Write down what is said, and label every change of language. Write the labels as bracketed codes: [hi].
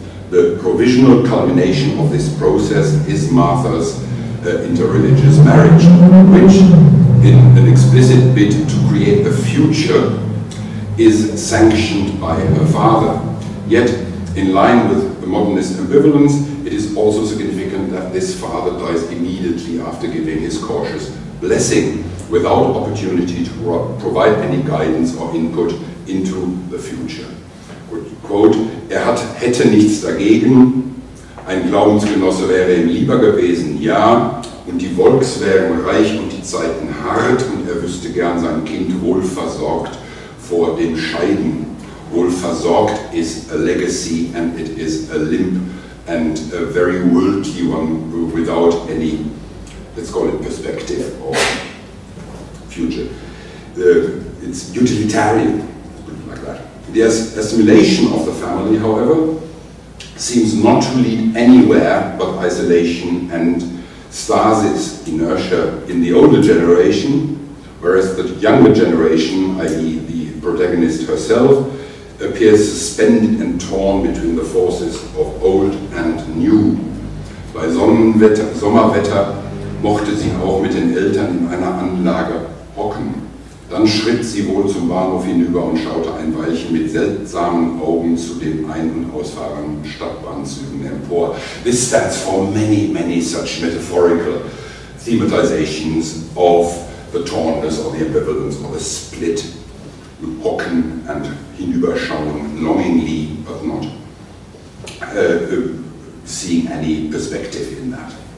[en] The provisional culmination of this process is Martha's interreligious marriage, which, in an explicit bid to create a future, is sanctioned by her father. Yet, in line with the modernist ambivalence, it is also significant that this father dies immediately after giving his cautious blessing, without opportunity to provide any guidance or input into the future. [de] Quote, hätte nichts dagegen, ein Glaubensgenosse wäre ihm lieber gewesen, ja, und die Volks wären reich und die Zeiten hart, und wüsste gern sein Kind wohlversorgt vor dem Scheiden. [en] Wohlversorgt is a legacy, and it is a limp and a very worldly one without any, let's call it, perspective or future. It's utilitarian, put it like that. The assimilation of the family, however, seems not to lead anywhere but isolation and stasis, inertia, in the older generation, whereas the younger generation, i.e. the protagonist herself, appears suspended and torn between the forces of old and new. [de] Bei Sommerwetter mochte sie auch mit den Eltern in einer Anlage hocken. Dann schritt sie wohl zum Bahnhof hinüber und schaute ein Weilchen mit seltsamen Augen zu den ein- und ausfahrenden Stadtbahnzügen empor. [en] This stands for many, many such metaphorical thematizations of the tornness or the ambivalence or the split hocken and hinüberschauen, longingly, but not seeing any perspective in that.